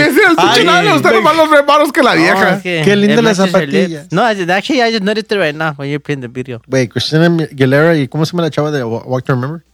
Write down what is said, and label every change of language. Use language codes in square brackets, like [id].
[es] Es lo que me decía el pinche nano. Usted no más los reparos que la vieja. [en] Okay. [es] Qué linda la zapatilla. [en] No, actually, I just noticed it right now when you're playing the video. Wait, [es] Christina Aguilera, ¿y cómo se llama la chava de Walk to Remember?